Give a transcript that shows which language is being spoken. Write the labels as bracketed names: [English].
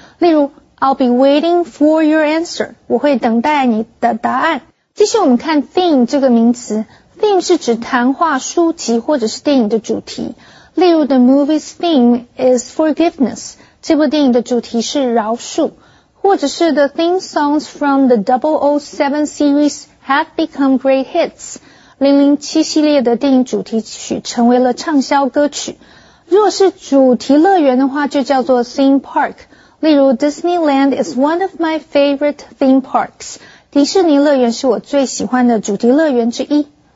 [Chinese] 例如 [English] I'll be waiting for your answer. [Chinese] 我会等待你的答案。继续我们看 theme 这个名词。theme 是指谈话、书籍或者是电影的主题。例如 [English] the movie's theme is forgiveness. [Chinese] 这部电影的主题是饶恕。或者是 [English] the theme songs from the 007 series have become great hits. [Chinese] 007系列的电影主题曲成为了畅销歌曲。如果是主题乐园的话就叫做 theme park。例如 [English] Disneyland is one of my favorite theme parks。 [Chinese] 迪士尼乐园是我最喜欢的主题乐园之一。